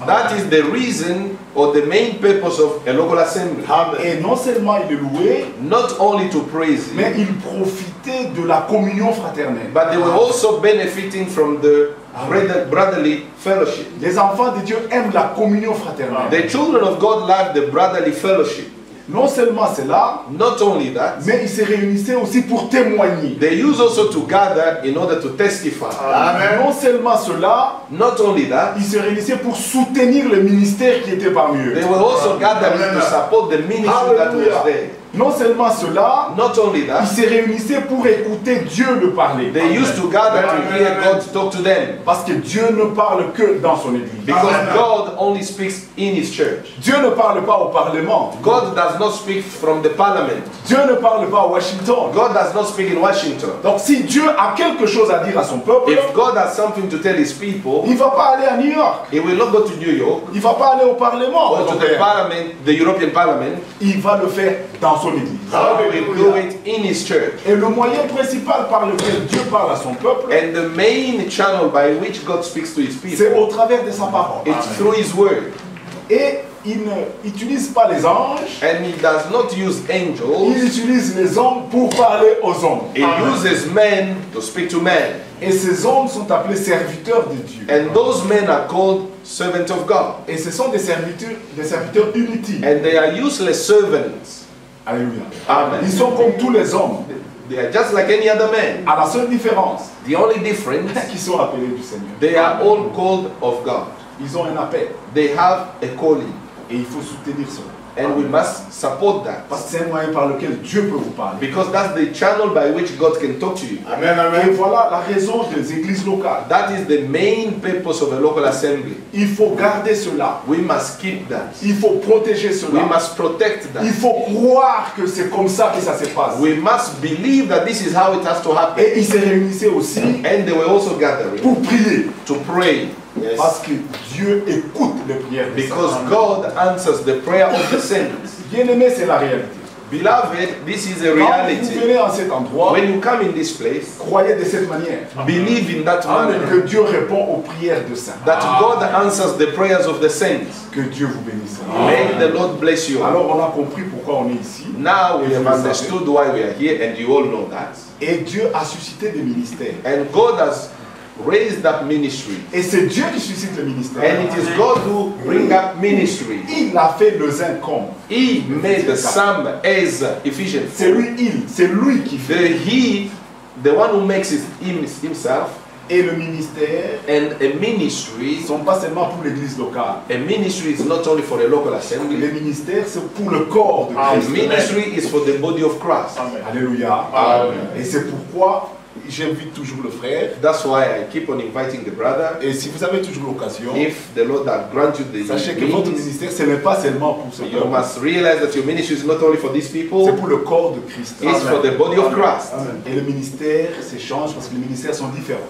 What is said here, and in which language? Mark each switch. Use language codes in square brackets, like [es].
[en] That is the reason or the main purpose of a local assembly. [fr] Amen. Et non seulement il est loué, [en] not only to praise, [fr] mais il profitait de la communion fraternelle. [en] But they were also benefiting from the brotherly fellowship. [fr] Les enfants de Dieu aiment la communion fraternelle. [en] The children of God love the brotherly fellowship. [fr] Non seulement cela, [en] not only that, [fr] mais ils se réunissaient aussi pour témoigner. [en] They use also to gather in order to testify. Amen. [fr] Non seulement cela, [en] not only that, [fr] ils se réunissaient pour soutenir le ministère qui était parmi eux. [en] They were also gathering to support the ministry. Hallelujah. That was there. [fr] Non seulement cela, [en] not only that, [fr] ils se réunissaient pour écouter Dieu le parler. [en] They Amen. Used to gather Amen. To hear God talk to them. [fr] Parce que Dieu ne parle que dans son église. [en] Because Amen. God only speaks in his church. [fr] Dieu ne parle pas au parlement. [en] God does not speak from the parliament. [fr] Dieu ne parle pas à Washington. [en] God does not speak in Washington. [fr] Donc si Dieu a quelque chose à dire à son peuple, [en] if God has something to tell his people, [fr] il va pas aller à New York. [en] He will not go to New York. [fr] Il va pas aller au parlement. [en] Or to the parliament, the European Parliament. [fr] Il va le faire dans et le moyen principal par lequel Dieu parle à son peuple, [en] and the main channel by which God speaks to his people, [fr] c'est au travers de sa parole. [en] It's through his word. [fr] Et il n'utilise pas les anges. [en] And he does not use angels. [fr] Il utilise les hommes pour parler aux hommes. [en] He uses men to speak to men. [fr] Et ces hommes sont appelés serviteurs de Dieu. [en] And those men are called servants of God. [fr] Et ce sont des serviteurs inutiles. [en] And they are useless servants. [fr] Alléluia. Amen. Ils sont comme tous les hommes. [en] They are just like any other man. [fr] À la seule différence, [en] the only difference, [fr] qu'ils sont appelés du Seigneur. [en] They are all called of God. [fr] Ils ont un appel. [en] They have a calling. [fr] Et il faut soutenir cela. [en] And Amen. We must support that. [fr] Parce que c'est un moyen par lequel Dieu peut vous parler. [en] Because that's the channel by which God can talk to you. Amen, amen. [fr] Et voilà la raison des églises locales. [en] That is the main purpose of a local assembly. [fr] Il faut garder cela. [en] We must keep that. [fr] Il faut protéger cela. [en] We must protect that. [fr] Il faut croire que c'est comme ça que ça se passe. [en] We must believe that this is how it has to happen. [fr] Et ils se réunissaient aussi. [en] And they were also gathering. [fr] Pour prier. [en] To pray. [fr] Yes. Parce que Dieu écoute les prières. [en] Because God answers the prayer of the saints. [fr] Bien aimé, c'est la réalité. [en] Beloved, this is a reality. [fr] Quand vous venez en cet endroit, [en] when you come in this place, [fr] croyez de cette manière. [en] Believe in that manner. [fr] Que Dieu répond aux prières de saints. [en] That God answers the prayers of the saints. [fr] Que Dieu vous bénisse. [en] May the Lord bless you. [fr] Alors on a compris pourquoi on est ici. [en] Now we have understood why we are here, and you all know that. [fr] Et Dieu a suscité des ministères. [en] And God has raise that ministry. [fr] Et c'est Dieu qui suscite le ministère. [en] And it is God who bring up ministry. [fr] Il a fait le zinc comme. [en] He made the sum as efficient. [fr] C'est lui qui fait. [en] The one who makes it himself. [fr] Et le ministère. [en] And a ministry. [fr] Sont pas seulement pour l'église locale. [en] A ministry is not only for a local assembly. [fr] Le ministère c'est pour le corps de Christ. [en] A ministry is for the body of Christ. Amen. Alléluia. Amen. [fr] Et c'est pourquoi j'invite toujours le frère. [en] That's why I keep on inviting the brother. [fr] Et si vous avez toujours l'occasion, [en] if the Lord has granted you the means, [fr] sachez que votre ministère, ce n'est pas seulement pour ce [en] you [fr] peuple. [en] Must realize that your ministry is not only for these people. [fr] C'est pour le corps de Christ. [en] It's Amen. For the body Amen. Of Christ. Amen. [fr] Et le ministère s'échange parce que les ministères sont différents.